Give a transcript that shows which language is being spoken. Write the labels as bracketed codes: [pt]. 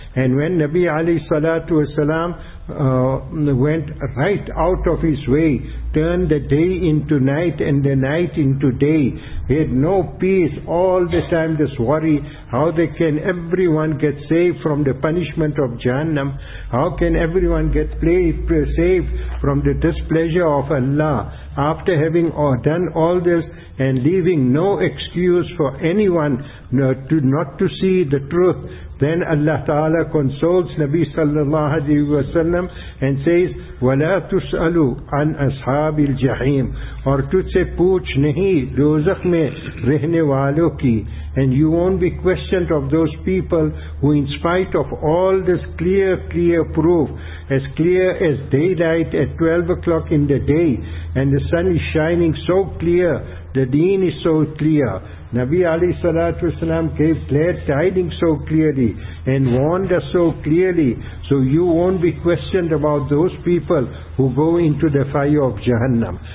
[en] And when Nabi alayhi salatu wasalam went right out of his way, turned the day into night and the night into day, he had no peace all the time, this worry, how they can everyone get saved from the punishment of Jahannam, how can everyone get saved from the displeasure of Allah, after having done all this and leaving no excuse for anyone not to see the truth. Then Allah Ta'ala consoles Nabi sallallahu alayhi wa sallam and says, [ar] وَلَا تُسْأَلُوا عَنْ أَصْحَابِ الْجَحِيمِ, [ur] اور تجھ سے پوچھ نہیں دوزخ میں رہنے والوں کی. [en] And you won't be questioned of those people who, in spite of all this clear proof, as clear as daylight at 12 o'clock in the day, and the sun is shining so clear, the deen is so clear, Nabi alayhi salatu wasalam gave glad tidings so clearly and warned us so clearly, so you won't be questioned about those people who go into the fire of Jahannam.